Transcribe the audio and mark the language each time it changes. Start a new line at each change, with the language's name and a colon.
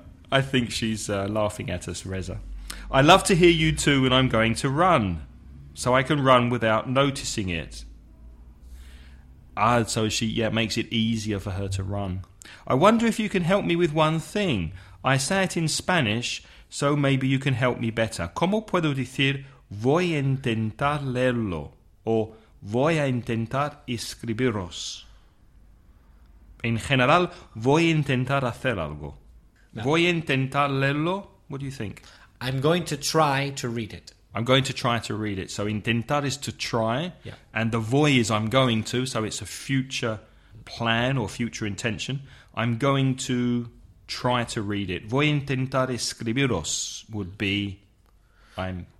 English: I think she's laughing at us, Reza. I love to hear you too when I'm going to run, so I can run without noticing it. So she makes it easier for her to run. I wonder if you can help me with one thing. I say it in Spanish, so maybe you can help me better.
Spanish: ¿Cómo puedo decir voy a intentar leerlo? O voy a intentar escribiros. En general, voy a intentar hacer algo. No. Voy a intentar leerlo.
English: What do you think? I'm going to try to read it. I'm going to try to read it. So intentar is to try. Yeah. And the voy is I'm going to. So it's a future plan or future intention. I'm going to try to read it.
Spanish: Voy a intentar escribiros
English: would be, I'm